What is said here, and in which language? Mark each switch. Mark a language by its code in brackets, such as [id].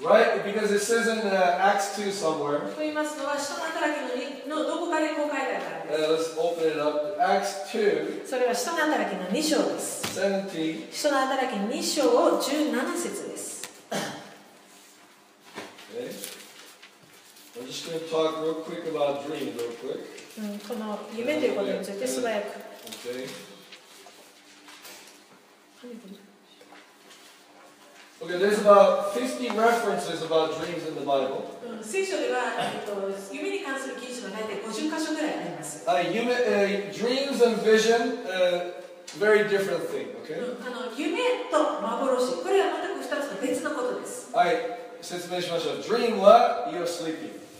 [en] Right? Because it says in Acts 2 somewhere. [ja] と言いますのは、使徒の働きのどこかでこう書いてあるからです。 [en] Let's open it up. Acts 2. [ja] それは使徒の働きの2章です。 17. 使徒の働き2章を17節です。 [en] I'm just going to talk real quick about dreams, real quick. [ja] この夢ということについて素早く。 [en] Okay. Okay. There's about 50 references about dreams in the Bible. [ja] 聖書では夢に関する記述が大体50箇所ぐらいあります。 [en] Dreams and vision, very different thing. Okay. [ja] 夢と幻、これは全く2つの別のことです。はい。説明しましょう。Dream は [en] You're sleeping.